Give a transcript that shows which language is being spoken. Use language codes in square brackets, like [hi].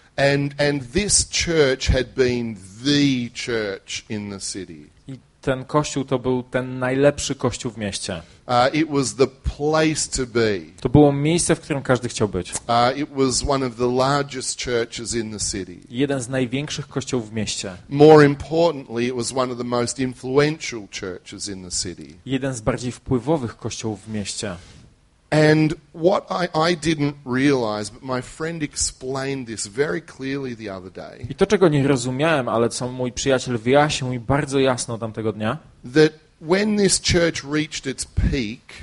[en] And this church had been the church in the city. [pl] I ten kościół to był ten najlepszy kościół w mieście. [en] It was the place to be. [pl] To było miejsce, w którym każdy chciał być. [en] It was one of the largest churches in the city. [pl] Jeden z największych kościołów w mieście. [en] More importantly, it was one of the most influential churches in the city. [pl] Jeden z bardziej wpływowych kościołów w mieście. [en] And what I didn't realize, but my friend explained this very clearly the other day. [pl] I to, czego nie rozumiałem, ale co mój przyjaciel wyjaśnił mi bardzo jasno tamtego dnia. [en] That when this church reached its peak,